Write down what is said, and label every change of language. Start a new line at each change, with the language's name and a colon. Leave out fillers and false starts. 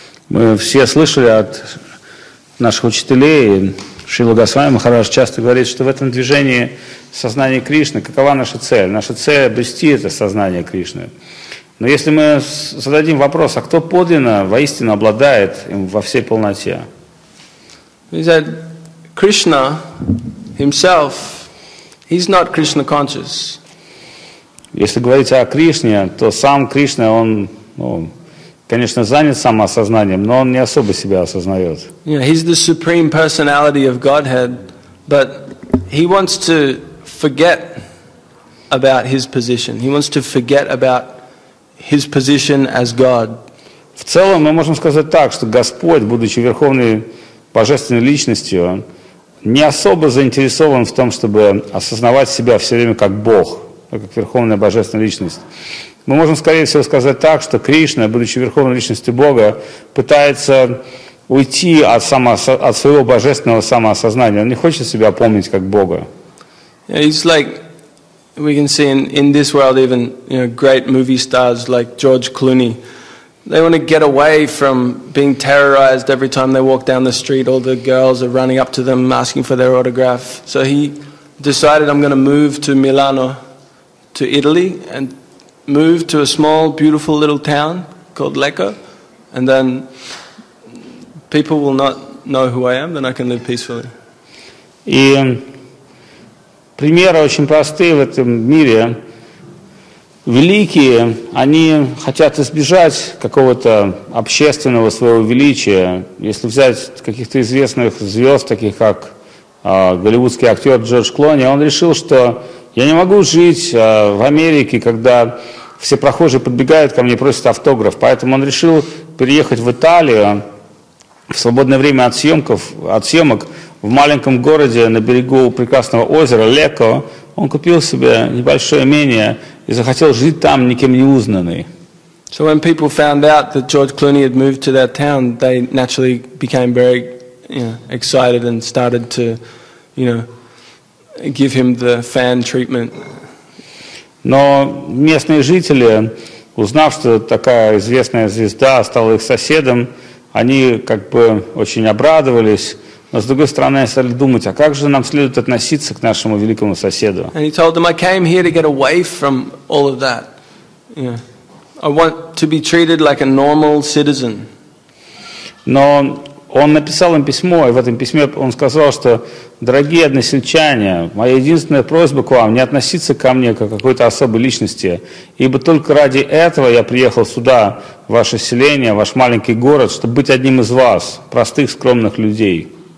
Russian: Мы все слышали от наших учителей, Шрила Госвами Махарадж часто говорит, что в этом движении сознание Кришны, какова наша цель? Наша цель – обрести это сознание Кришны. Но если мы зададим вопрос, а кто подлинно, воистину обладает им во всей полноте?
English: He said, Krishna himself, he's not Krishna conscious.
Russian: Если говорить о Кришне, то сам Кришна, он, ну, конечно, занят самоосознанием, но он не особо себя осознает.
English: You know, he's the supreme personality of Godhead, but he wants to forget about his position. He wants to forget about his position as God.
Russian: В целом, мы можем сказать так, что Господь, будучи верховной божественной личностью, не особо заинтересован в том, чтобы осознавать себя все время как Бог, как верховная божественная личность. Мы можем, скорее всего, сказать так, что Кришна, будучи верховной личностью Бога, пытается уйти от, от своего божественного самоосознания. Он не хочет себя помнить как Бога.
English: It's like we can see in this world even, you know, great movie stars like George Clooney. They want to get away from being terrorized every time they walk down the street. All the girls are running up to them asking for their autograph. So he decided, I'm going to move to Milano, to Italy, and moved to a small, beautiful little town called Lecco, and then people will not know who I am, then I can live peacefully.
Russian: И примеры очень простые в этом мире. Великие, они хотят избежать какого-то общественного своего величия. Если взять каких-то известных звезд, таких как голливудский актер Джордж Клуни, он решил, что я не могу жить в Америке, когда все прохожие подбегают ко мне, просят автограф. Поэтому он решил переехать в Италию в свободное время от съемок в маленьком городе на берегу прекрасного озера Лекко. Он купил себе небольшое имение и захотел жить там, никем не узнанный.
English: So when people found out that George Clooney had moved to that town, they naturally became very, you know, excited and started to, you know, give him the fan treatment.
Russian: Но местные жители, узнав, что такая известная звезда стала их соседом, они как бы очень обрадовались. Но с другой стороны, они стали думать, а как же нам следует относиться к нашему великому соседу?
English: And he told them, I came here to get away from all of that. Yeah. I want to be treated like a normal citizen.
Russian: Но он написал им письмо, и в этом письме он сказал, что «Дорогие односельчане, моя единственная просьба к вам – не относиться ко мне как к какой-то особой личности, ибо только ради этого я приехал сюда, в ваше селение, в ваш маленький город, чтобы быть одним из вас, простых, скромных людей».